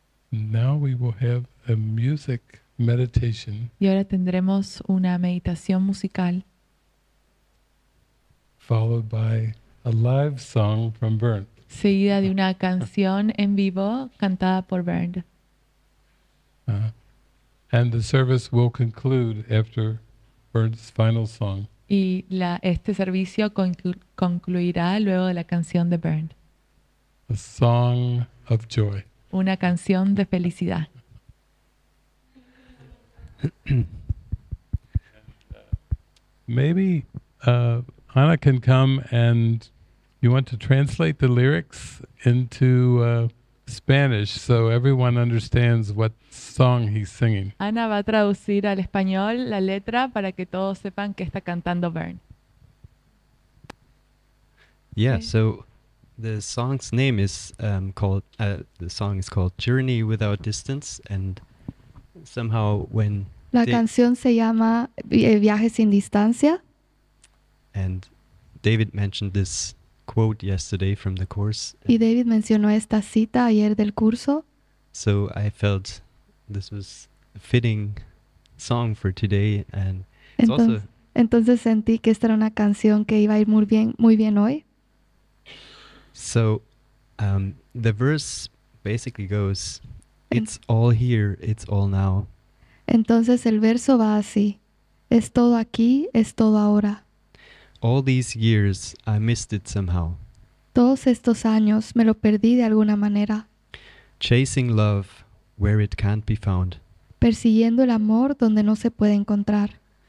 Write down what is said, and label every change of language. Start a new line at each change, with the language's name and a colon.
English: Now we will have a music meditation.
Spanish: Y ahora tendremos una meditación musical.
English: Followed by a live song from Bernd.
Spanish: Seguida de una canción en vivo cantada por Bernd.
English: And the service will conclude after Bernd's final song.
Spanish: Y este servicio concluirá luego de la canción de Bernd.
English: A song of joy.
Spanish: Una canción de felicidad.
English: Maybe Anna can come and you want to translate the lyrics into Spanish so everyone understands what song he's singing.
Spanish: Ana va a traducir al español la letra para que todos sepan que está cantando Bernd.
English: Yeah, okay. So the song's name is called Journey Without Distance, and somehow when
Spanish: la canción se llama Viaje sin Distancia.
English: And David mentioned this quote yesterday from the course.
Spanish: Y David mencionó esta cita ayer del curso.
English: So I felt this was a fitting song for today, and
Spanish: entonces sentí que esta era una canción que iba a ir muy bien hoy.
English: So the verse basically goes, it's all here, it's all now.
Spanish: Entonces el verso va así, es todo aquí, es todo ahora.
English: All these years, I missed it somehow.
Spanish: Todos estos años, me lo perdí de alguna manera.
English: Chasing love, where it can't be found.
Spanish: Persiguiendo el amor donde no se puede encontrar.